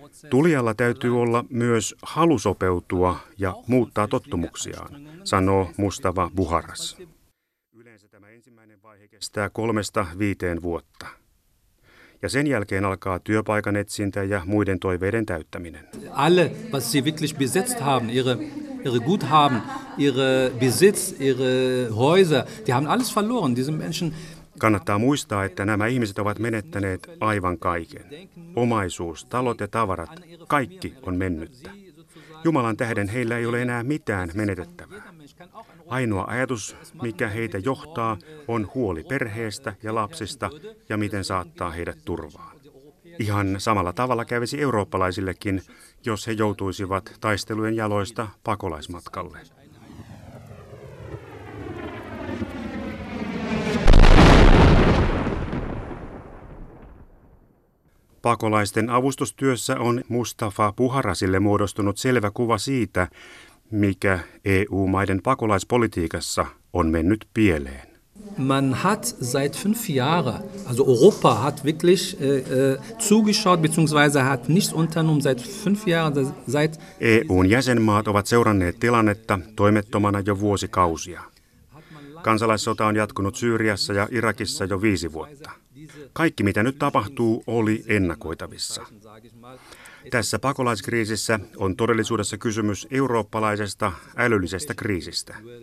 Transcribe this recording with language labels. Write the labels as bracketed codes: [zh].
[fi] Tulijalla täytyy olla myös halu sopeutua ja muuttaa tottumuksiaan, sanoo Mustava Buharas. Yleensä tämä ensimmäinen vaihe kestää 3-5 vuotta. Ja sen jälkeen alkaa työpaikan etsintä ja muiden toiveiden täyttäminen. [de] Alle, was sie wirklich besetzt haben, ihre Guthaben, ihre Besitz, ihre Häuser, die haben alles verloren, diese Menschen. [fi] Kannattaa muistaa, että nämä ihmiset ovat menettäneet aivan kaiken. Omaisuus, talot ja tavarat, kaikki on mennyttä. Jumalan tähden heillä ei ole enää mitään menetettävää. Ainoa ajatus, mikä heitä johtaa, on huoli perheestä ja lapsista ja miten saattaa heidät turvaan. Ihan samalla tavalla kävisi eurooppalaisillekin, jos he joutuisivat taistelujen jaloista pakolaismatkalle. Pakolaisten avustustyössä on Mustafa Buharasille muodostunut selvä kuva siitä, mikä EU-maiden pakolaispolitiikassa on mennyt pieleen. [de] Man hat seit 5 Jahre, also Europa hat wirklich zugeschaut bzw. hat nichts unternommen seit 5 Jahren, seit [fi] EU:n jäsenmaat ovat seuranneet tilannetta toimettomana jo vuosikausia. Kansalaissota on jatkunut Syyriassa ja Irakissa jo 5 vuotta. Kaikki, mitä nyt tapahtuu, oli ennakoitavissa. Tässä pakolaiskriisissä on todellisuudessa kysymys eurooppalaisesta älyllisestä kriisistä.